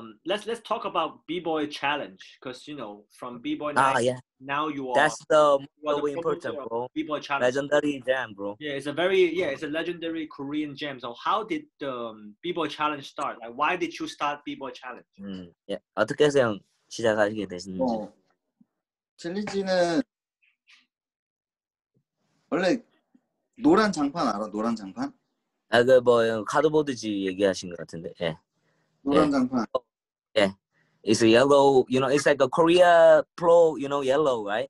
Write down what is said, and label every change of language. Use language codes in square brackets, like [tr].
[en] Let's talk about B-boy challenge, cause you know from B-boy night. Now you are. That's the most important, bro. B-boy challenge. Legendary jam, bro. Yeah, it's a very it's a legendary Korean jam. So how did the B-boy challenge start? Like, why did you start B-boy challenge? [ko] 어떻게 해서 형 시작하시게 됐는지. 챌린지는 원래 노란 장판 알아? 노란 장판? 아, 그 뭐 카드보드지 얘기하신 것 같은데, 예. 노란 장판. 예. [en] It's a yellow, you know, it's like a Korea Pro, you know, yellow, right?